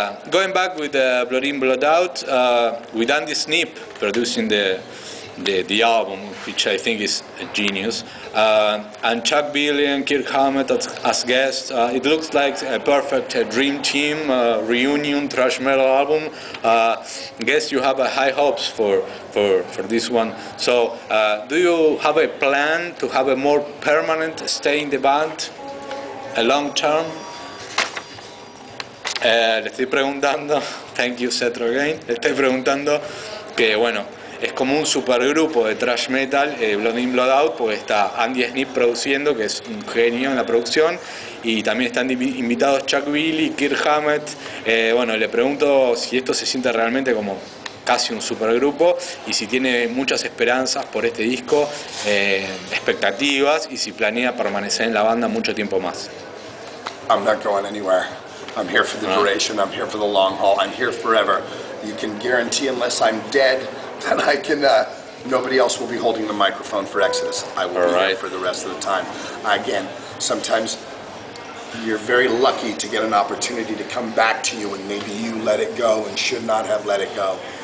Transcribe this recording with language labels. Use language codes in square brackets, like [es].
[en] Going back with Blood In, Blood Out, with Andy Snip producing the album, which I think is a genius, and Chuck Billy and Kirk Hammett as guests, it looks like a perfect dream team, reunion thrash metal album. I guess you have high hopes for this one. So do you have a plan to have a more permanent stay in the band, a long term? [es] Le estoy preguntando, [en] thank you Cetro again, [es] le estoy preguntando que bueno, es como un supergrupo de thrash metal, Blood In, Blood Out, porque está Andy Snip produciendo, que es un genio en la producción, y también están invitados Chuck Billy, Kirk Hammett, bueno, le pregunto si esto se siente realmente como casi un supergrupo, y si tiene muchas esperanzas por este disco, expectativas, y si planea permanecer en la banda mucho tiempo más. [en] I'm not going anywhere. I'm here for the duration, I'm here for the long haul, I'm here forever. You can guarantee, unless I'm dead, that I can, nobody else will be holding the microphone for Exodus. I will All be right. here for the rest of the time. Again, sometimes you're very lucky to get an opportunity to come back to you, and maybe you let it go and should not have let it go.